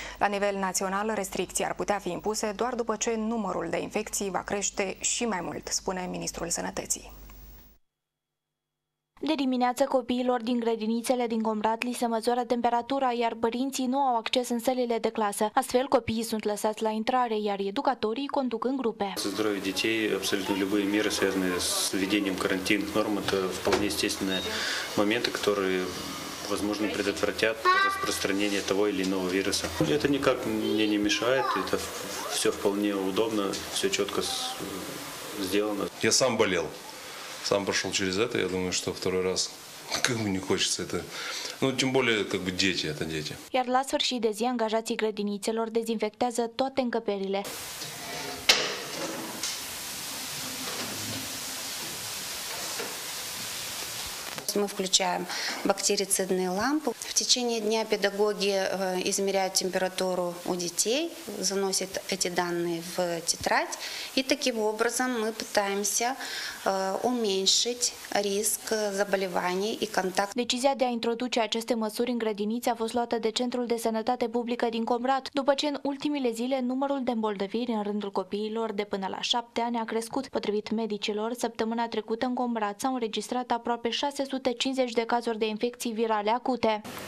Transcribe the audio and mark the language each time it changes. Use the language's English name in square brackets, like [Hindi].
[Romanian] La nivel național, restricții ar putea fi impuse doar după ce numărul de infecții va crește și mai mult, spune ministrul Sănătății. De dimineață, copiilor din grădinițele din Gombrat li se măsoară temperatura, iar părinții nu au acces în sălile de clasă. Astfel, copiii sunt lăsați la intrare, iar educatorii conduc în grupe. [Russian] Здоровье детей, абсолютно любые меры, связанные с введением карантинных норм, это вполне естественные моменты, которые возможно, предотвратят распространение того или иного вируса. Это никак мне не мешает, это все вполне удобно, все четко сделано. Я сам болел, сам прошел через это, я думаю, что второй раз, кому не хочется это. Ну, тем более, как бы дети, это дети. [Romanian] Iar la sfârșit de zi, angajații grădinițelor dezinfectează toate încăperile. [Russian] Мы включаем бактерицидные лампы. В течение дня педагоги измеряют температуру у детей, заносят эти данные в тетрадь. И таким образом мы пытаемся уменьшить риск заболеваний и контактов. [Romanian] Decizia de a introduce aceste măsuri în grădinițe a fost luată de Centrul de Sănătate Publică din Comrat, după ce în ultimile zile numărul de îmbolnăviri în rândul copiilor de până la 7 ani a crescut. Potrivit medicilor, săptămâna trecută în Comrat s-au înregistrat aproape 650 de cazuri de infecții virale acute.